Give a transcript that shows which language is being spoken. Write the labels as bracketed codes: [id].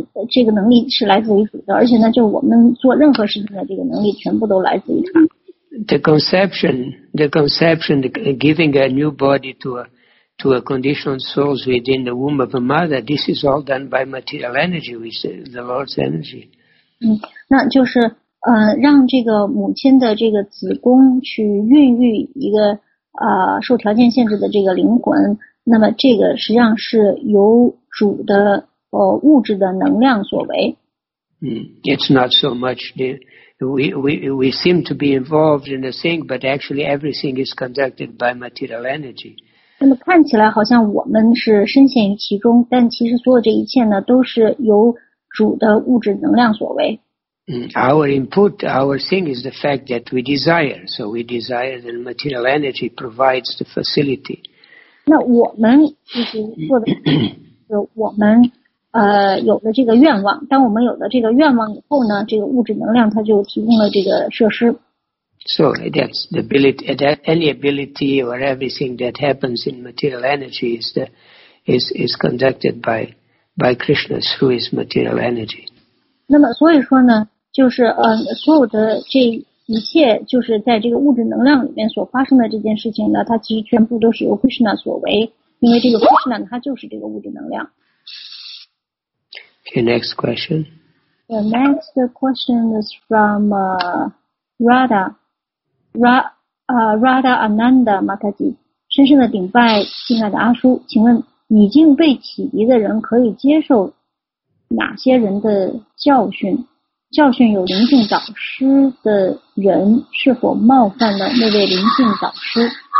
[zh] 这个能力是来自于主的，而且呢，就我们做任何事情的这个能力全部都来自于他。 [en] The conception, giving a new body to a conditioned soul within the womb of a mother, this is all done by material energy, which is the Lord's energy. [zh] 那就是让这个母亲的这个子宫去孕育一个受条件限制的这个灵魂，那么这个实际上是由主的物质的能量所为。 [en] It's not so much the, we seem to be involved in the thing, but actually everything is conducted by material energy. [zh] 那么看起来好像我们是深陷于其中，但其实所有这一切呢，都是由主的物质能量所为。 [en] Our input, our thing is the fact that we desire. So we desire and material energy provides the facility. [zh] 那我们就是做的就我们有了这个愿望，当我们有了这个愿望以后呢，这个物质能量它就提供了这个设施。 [en] So that's the ability, that any ability or everything that happens in material energy is conducted by Krishna through his material energy. [zh] 那么所以说呢，就是所有的这一切就是在这个物质能量里面所发生的这件事情呢，它其实全部都是由 Krishna 所为，因为这个 Krishna 它就是这个物质能量。 [en] Okay, next question. The next question is from Radha Ananda Mataji. [zh] 深深的顶拜敬爱的阿叔，请问已经被启迪的人可以接受哪些人的教训？教训有灵性导师的人是否冒犯了那位灵性导师？